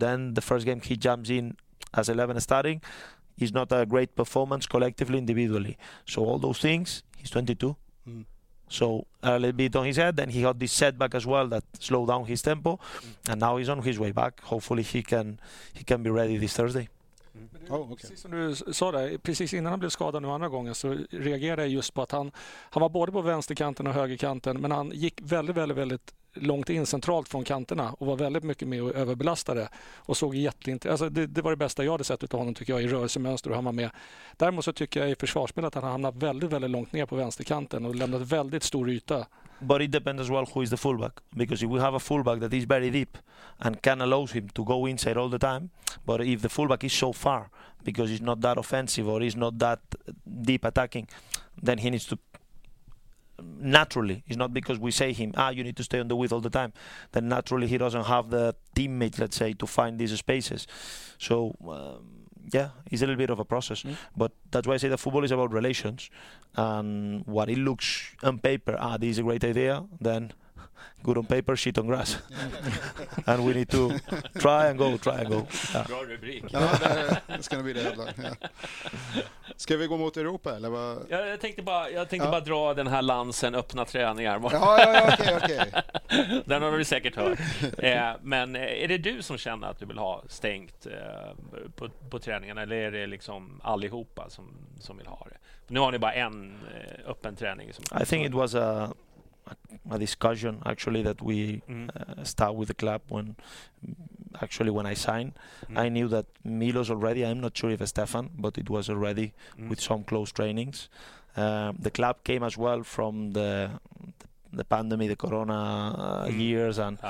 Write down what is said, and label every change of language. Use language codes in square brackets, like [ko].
[en] Then the first game he jumps in as 11 starting. He's not a great performance collectively, individually. So all those things, he's 22. So a little bit on his head, and he had this setback as well that slowed down his tempo, and now he's on his way back. Hopefully he can be ready this Thursday. Oh, okay. [sv] Precis som du sa där, precis innan han blev skadad nu andra gången, så reagerade jag just på att han var både på vänsterkanten och högerkanten, men han gick väldigt, väldigt, väldigt långt in centralt från kanterna och var väldigt mycket med och överbelastade och såg jätteintressant. Alltså det var det bästa jag hade sett utav honom, tycker jag, i rörelsemönster och han var med. Däremot så tycker jag i försvarsspel att han hamnat väldigt, väldigt långt ner på vänsterkanten och lämnat väldigt stor yta. [en] But it depends as well who is the fullback, because if we have a fullback that is very deep and can allow him to go inside all the time, but if the fullback is so far because he's not that offensive or he's not that deep attacking, then he needs to naturally, it's not because we say him, you need to stay on the width all the time, then naturally he doesn't have the teammates, let's say, to find these spaces. So it's a little bit of a process. Mm-hmm. But that's why I say that football is about relations. And what it looks on paper, this is a great idea, then good on paper, shit on grass. And we need to try and go. [sv] Yeah. Bra rubrik. Ska bli det jävla. Ska vi gå mot Europa eller vad? Ja, jag tänkte bara dra den här lansen, öppna träningar. Okej. Den har vi säkert hört. Men är det du som känner att du vill ha stängt på träningarna, eller är det liksom allihopa som vill ha det? Nu har ni bara en öppen träning. [en] I think it was a discussion actually that we start with the club when I signed. Mm. I knew that Milos already, I'm not sure if Stefan, but it was already with some close trainings. The club came as well from the pandemic, the corona years.